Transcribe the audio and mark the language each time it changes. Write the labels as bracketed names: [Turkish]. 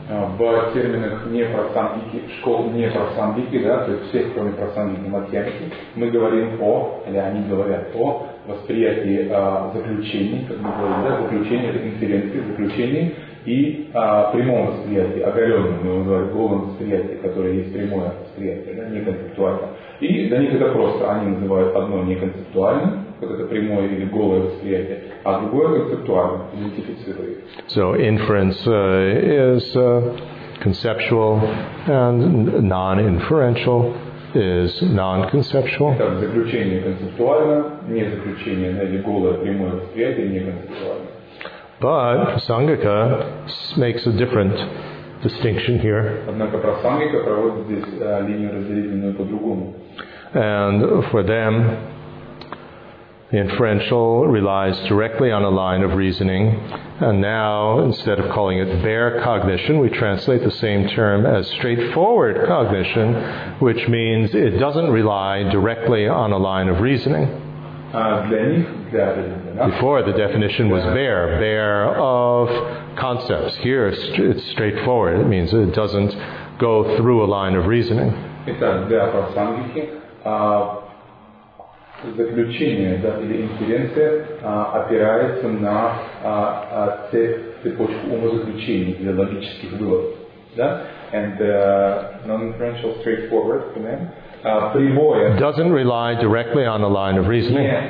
[Russian] В терминах не прасангики, школ не прасангики, да, то есть всех, кроме прасангики, матьяки, мы говорим о, или они говорят о, восприятии заключений, как мы говорим, да, заключения, это инференции, заключений, и прямом восприятии, оголенном, мы называем голым восприятием, которое есть прямое восприятие, да, неконцептуальное. И для них это просто, они называют одно неконцептуальным, вот это прямое или голое восприятие, а другое концептуальное, идентифицируемое. [English] So inference is conceptual, and non-inferential is non-conceptual. [Russian] Это заключение концептуальное, не заключение, да, или голое прямое восприятие неконцептуальное. [English] But prasangika makes a different distinction here. [Russian] Однако прасангика проводит здесь линию разделительную по-другому. [English] And for them, inferential relies directly on a line of reasoning. And now, instead of calling it bare cognition, we translate the same term as straightforward cognition, which means it doesn't rely directly on a line of reasoning. Before, the definition was bare of concepts. Here, it's straightforward. It means it doesn't go through a line of reasoning. [Russian] Итак, для прасангики заключение, да, или инференция опирается на цепочку умозаключений для логических выводов. Да? [English] And non-inferential, straightforward, for them. Doesn't rely directly on the line of reasoning.